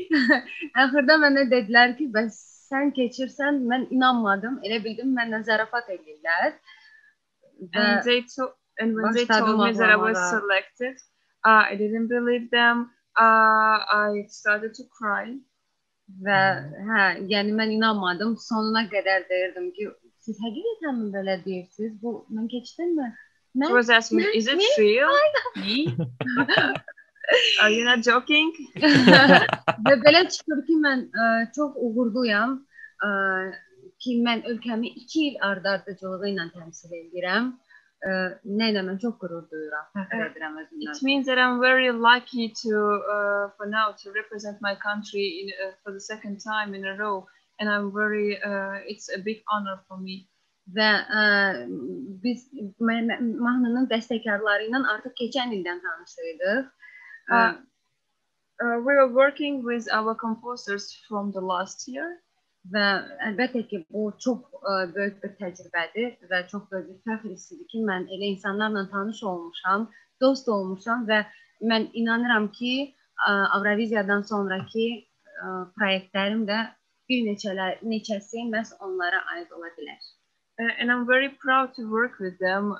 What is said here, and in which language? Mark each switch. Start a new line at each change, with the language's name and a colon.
Azerbaijani: Axırda mənə dedilər ki, bəs sən keçirsən, mən inanmadım. Elə bildim mənlə zarafat edirlər.
English: And when they told me that I was selected, I didn't believe them. I started to cry.
Azerbaijani: Və yəni mən inanmadım. Sonuna qədər deyirdim ki, siz həqiqətən mi belə deyirsiniz? Bu mən keçdimmi?
English: Mən was asking, is it real? Are you not joking?
Azerbaijani: Və belə çıxır ki, mən çox uğurluyam ki, mən ölkəmi 2 il ardardıcılığı ilə təmsil edirəm. Mən çox qürur duyuram, fəxr edirəm özümdən.
English: It means that I'm very lucky to for now to represent my country in for the second time in a row, and I'm very it's a big honor for me.
Azerbaijani: Və biz mahnının bəstəkarları ilə artıq keçən ildən tanışdıq.
English: We were working with our composers from the last year.
Azerbaijani: Və əlbəttə ki, bu çox böyük bir təcrübədir və çox böyük bir fəxr hissidir ki, mən elə insanlarla tanış olmuşam, dost olmuşam və mən inanıram ki, Avroviziyadan sonraki proyektlərim də bir neçəsi məhz onlara aid ola bilər.
English: And I'm very proud to work with them.